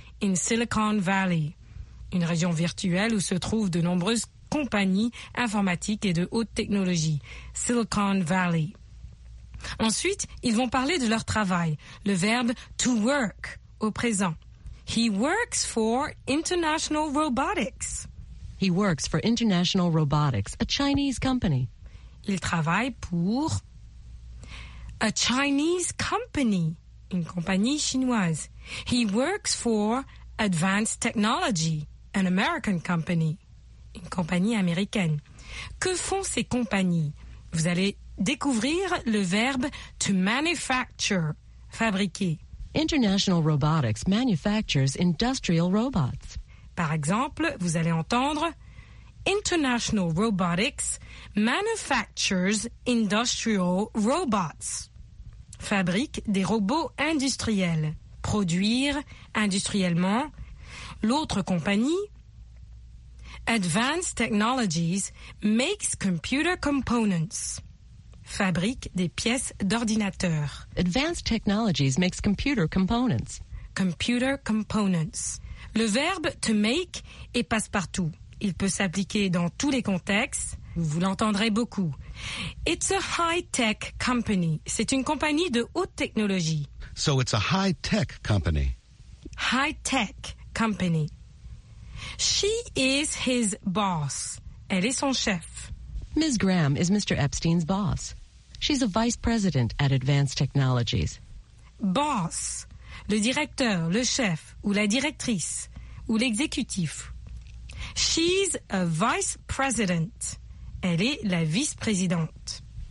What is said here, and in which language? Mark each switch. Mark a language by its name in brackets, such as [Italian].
[French] In Silicon Valley, une région virtuelle où se trouvent de nombreuses compagnies informatiques et de haute technologie. Silicon Valley. Ensuite, ils vont parler de leur travail. Le verbe to work au présent. [English] He works for International Robotics. He works for International Robotics, a Chinese company. [French] Il travaille pour a Chinese company, une compagnie chinoise. [English] He works for Advanced Technology, an American company, une compagnie américaine. [French] Que font ces compagnies? Vous allez découvrir le verbe to manufacture, fabriquer. [English] International Robotics manufactures industrial robots. [French] Par exemple, vous allez entendre International Robotics manufactures industrial robots. Fabrique des robots industriels. Produire industriellement. L'autre compagnie, Advanced Technologies makes computer components. Fabrique des pièces d'ordinateur. [English] Advanced Technologies makes computer components. [French] Computer components. Le verbe to make est passe-partout. Il peut s'appliquer dans tous les contextes. Vous l'entendrez beaucoup. It's a high-tech company. C'est une compagnie de haute technologie. [English] So it's a high-tech company. High-tech company. She is his boss. [French] Elle est son chef. [English] Ms. Graham is Mr. Epstein's boss. She's a vice president at Advanced Technologies. [French] Boss, le directeur, le chef, ou la directrice, ou l'exécutif. [English] She's a vice president. Elle est la vice-présidente.